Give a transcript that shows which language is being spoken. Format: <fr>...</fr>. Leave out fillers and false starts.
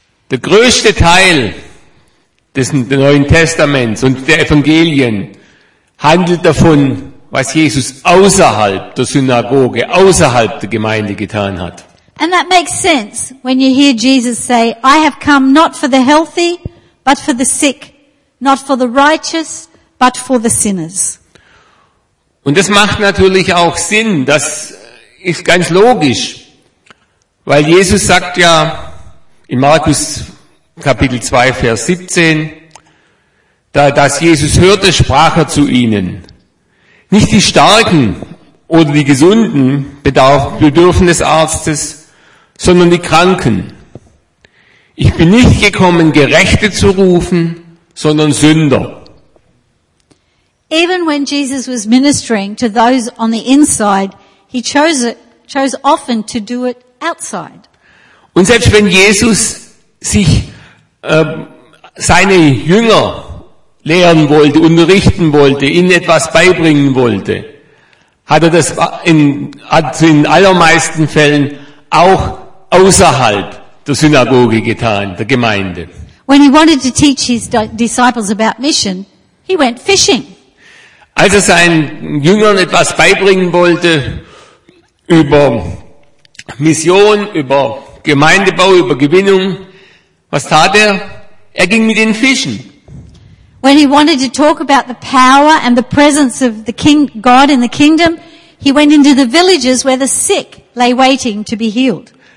<de>Der größte Teil des Neuen Testaments und der Evangelien handelt davon, was Jesus außerhalb der Synagoge, außerhalb der Gemeinde getan hat.</de> <en>And that makes sense when you hear Jesus say, I have come not for the healthy, but for the sick, not for the righteous, but for the sinners.</en> <de>Und das macht natürlich auch Sinn, das ist ganz logisch, weil Jesus sagt ja in Markus Kapitel 2, Vers 17, da das Jesus hörte, sprach er zu ihnen, nicht die Starken oder die Gesunden bedürfen des Arztes, sondern die Kranken. Ich bin nicht gekommen, Gerechte zu rufen, sondern Sünder.</de> <en>Even when Jesus was ministering to those on the inside, he chose often to do it outside.</en> <de>Und selbst wenn Jesus sich seine Jünger lehren wollte, unterrichten wollte, ihnen etwas beibringen wollte, hat er das in allermeisten Fällen auch außerhalb der Synagoge getan, der Gemeinde.</de> <en>When he wanted to teach his disciples about mission, he went fishing.</en> <de>Als er seinen Jüngern etwas beibringen wollte über Mission, über Gemeindebau, über Gewinnung, was tat er? Er ging mit ihnen fischen.</de> <en>When he wanted to talk about the power and the presence of the King God in the kingdom, he went into the villages where the sick lay waiting to be healed.</en>